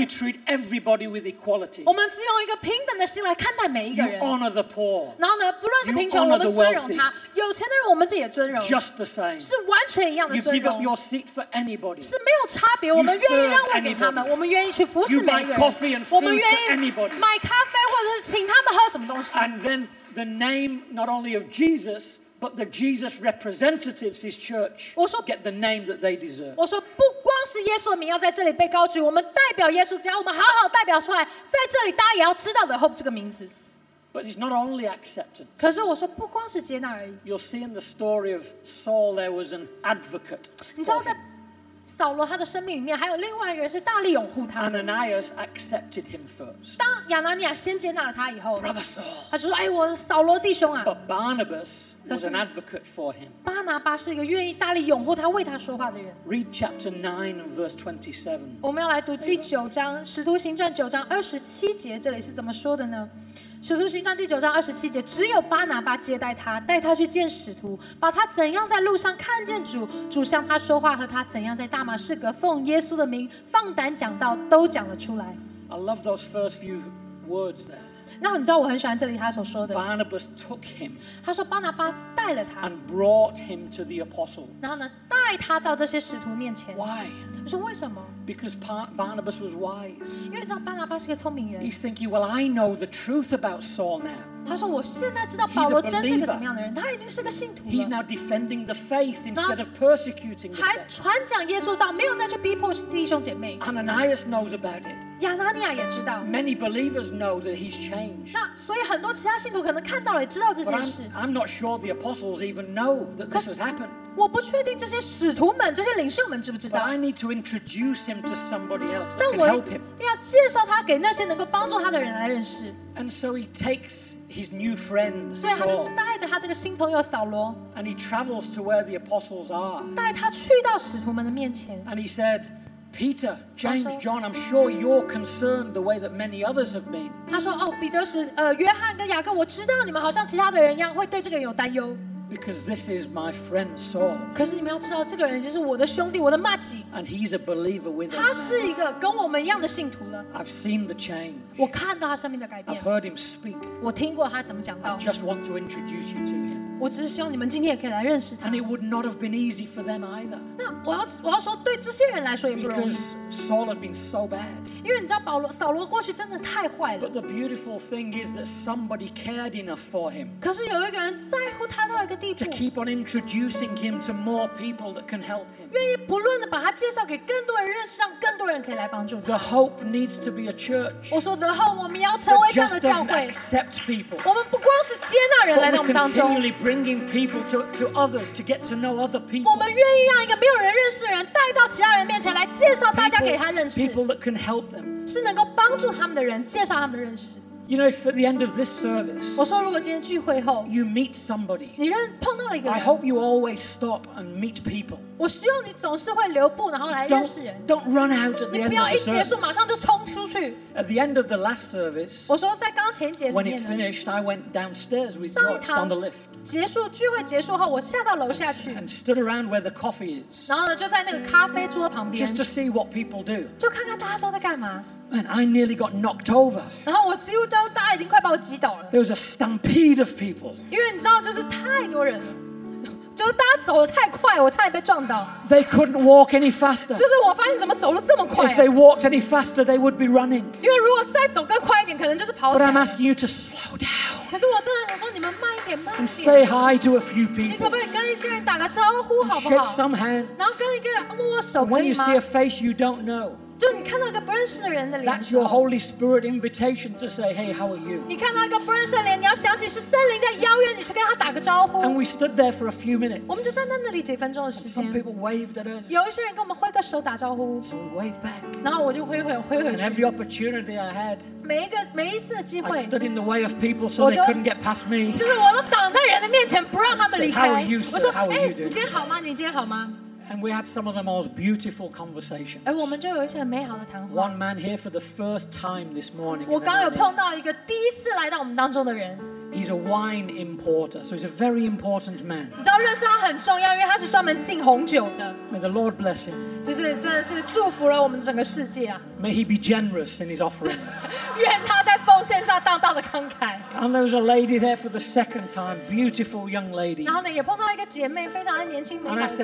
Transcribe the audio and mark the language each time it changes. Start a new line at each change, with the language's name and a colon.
English: You treat everybody with equality.
Chinese: 我们只用一个平等的心来看待每一个人。
English: You honor the poor.
Chinese: 然后呢，不论是贫穷，我们尊荣。他。有钱的人，我们自己也尊荣。
English: Just the same，
Chinese: 是完全一样的尊荣。
English: You give up your seat for anybody，
Chinese: 是没有差别。我们愿意让位给他们，我们愿意去服侍每一个人。
English: You buy coffee and food for anybody，
Chinese: 买咖啡或者是请他们喝什么东西。
English: And then the name not only of Jesus。 But the Jesus representatives, his church, get the name that they deserve.
Chinese: 我说不光是耶稣的名要在这里被高举，我们代表耶稣，只要我们好好代表出来，在这里大家也要知道的 Hope 这个名字。
English: But it's not only accepted.
Chinese: 可是我说不光是接纳而已。
English: You'll see in the story of Saul, there was an advocate.
Chinese: 你知道在扫罗他的生命里面，还有另外一个人是大力拥护他。
English: Ananias accepted him first.
Chinese: 当亚拿尼亚先接纳了他以后
English: ，Brother Saul,
Chinese: 他就说：“哎，我扫罗弟兄啊。
English: ”But Barnabas was an advocate for him.
Chinese: 巴拿巴是一个愿意大力拥护他、为他说话的人。
English: Read chapter 9 and verse 27.
Chinese: 我们要来读第九章《使徒行传》九章二十七节，这里是怎么说的呢？ 《使徒行传》第九章二十七节，只有巴拿巴接待他，带他去见使徒，把他怎样在路上看见主，主向他说话，和他怎样在大马士革奉耶稣的名放胆讲道，都讲了出来。
English: I love those first few words there.
Chinese: 那你知道我很喜欢这里他所说的。
English: Barnabas took him.
Chinese: 他说巴拿巴带了他。
English: And brought him to the apostles.
Chinese: 然后呢，带他到这些使徒面前。
English: Why?
Chinese: 说为什么
English: Because Barnabas was wise.
Chinese: 因为你知道巴拿巴是个聪明人。
English: He's thinking, well, I know the truth about Saul now.
Chinese: 他说我现在知道保罗真是个怎么样的人。他已经是个信徒了。
English: He's now defending the faith instead of persecuting the faith.
Chinese: 还传讲耶稣道，没有再去逼迫弟兄姐妹。
English: Ananias knows about it.
Chinese: 亚拿尼亚也知道。
English: Many believers know that he's changed.
Chinese: 那所以很多其他信徒可能看到了，也知道这件事。
English: I'm not sure the apostles even know that this has happened.
Chinese: 我不确定这些使徒们、这些领袖们知不知道。
English: But I need to introduce him to somebody else that can help him.
Chinese: 但我要介绍他给那些能够帮助他的人来认识。
English: And so he takes his new friend Saul.
Chinese: 所以他就带着他这个新朋友扫罗。
English: And he travels to where the apostles are.
Chinese: 带他去到使徒们的面前。
English: And he said. Peter, James, John, I'm sure you're concerned the way that many others have been.
Chinese: 他说哦，彼得是约翰跟雅各，我知道你们好像其他的人一样会对这个人有担忧。
English: Because this is my friend Saul.
Chinese: 可是你们要知道，这个人就是我的兄弟，我的马吉。
English: And he's a believer with us.
Chinese: 他是一个跟我们一样的信徒了。
English: I've seen the change.
Chinese: 我看到他生命的改变。
English: I've heard him speak.
Chinese: 我听过他怎么讲道。
English: I just want to introduce you to him.
Chinese: 我只是希望你们今天也可以来认识他。
English: And it would not have been easy for them either.
Chinese: 那我要说，对这些人来说也不容易。
English: Because Saul had been so bad.
Chinese: 因为你知道扫罗过去真的太坏了。
English: But the beautiful thing is that somebody cared enough for him.
Chinese: 可是有一个人在乎他到一个地步。
English: To keep on introducing him to more people that can help him.
Chinese: 愿意不论的把他介绍给更多人认识，让更多人可以来帮助他。
English: The hope needs to be a church.
Chinese: 我说 ，The hope 我们要成为这样的教会。
English: That just doesn't accept people.
Chinese: 我们不光是接纳人来到我们当中。
English: Bringing people to others to get to know other people.
Chinese: 我们愿意让一个没有人认识的人带到其他人面前来介绍大家给他认识。
English: People that can help them.
Chinese: 是能够帮助他们的人介绍他们认识。
English: You know, if at the end of this service,
Chinese: 我说如果今天聚会后
English: you meet somebody,
Chinese: 你碰到了一个人
English: I hope you always stop and meet people.
Chinese: 我希望你总是会留步，然后来认识人。
English: Don't run out at the end of the service.
Chinese: 你不要一结束马上就冲出去。
English: At the end of the last service,
Chinese: 我说在刚前节里面
English: when it finished, I went downstairs with George down the lift.
Chinese: 结束聚会结束后，我下到楼下去
English: and stood around where the coffee is.
Chinese: 然后呢，就在那个咖啡桌旁边
English: just to see what people do.
Chinese: 就看看大家都在干嘛。
English: And I nearly got knocked over.
Chinese: 然后我几乎都大家已经快把我挤倒了。
English: There was a stampede of people.
Chinese: 因为你知道，就是太多人，就是大家走得太快，我差点被撞倒。
English: They couldn't walk any faster.
Chinese: 就是我发现怎么走得这么快。
English: If they walked any faster, they would be running.
Chinese: 因为如果再走更快一点，可能就是跑起
English: 来。But I'm asking you to slow down.
Chinese: 可是我真的想说，你们慢一点，慢一点。
English: And say hi to a few people.
Chinese: 你可不可以跟一些人打个招呼，好不好
English: ？And shake some hands.
Chinese: 然后跟一个人握握手，可以吗
English: ？When you see a face you don't know.
Chinese: 就你看到一个不认识的人的脸
English: That's your Holy Spirit invitation to say, hey, how are you?
Chinese: 你看到一个不认识的脸，你要想起是圣灵在邀约你去跟他打个招呼。
English: And we stood there for a few minutes.
Chinese: 我们就站在那里几分钟的时间。
English: Some people waved at us.
Chinese: 有一些人跟我们挥个手打招呼。
English: So we waved back.
Chinese: 然后我就挥回去。
English: And every opportunity I had.
Chinese: 每一次的机会。
English: I stood in the way of people so they couldn't get past me.
Chinese: 就是我都挡在人的面前，不让他们离开。
English: How are you, sir?
Chinese: 我说
English: how are you doing?
Chinese: 你今天好吗？你今天好吗？
English: And we had some of the most beautiful conversations.
Chinese: 哎，我们就有一些很美好的谈话。
English: One man here for the first time this morning.
Chinese: 我刚有碰到一个第一次来到我们当中的人。
English: He's a wine importer, so he's a very important man.
Chinese: 你知道认识他很重要，因为他是专门进红酒的。
English: May the Lord bless him.
Chinese: 就是真的是祝福了我们整个世界啊。
English: May he be generous in his offering.
Chinese: 愿他在奉献上当当的慷慨。
English: And there was a lady there for the second time, beautiful young lady.
Chinese: 然后呢，也碰到一个姐妹，非常的年轻美丽的姐妹。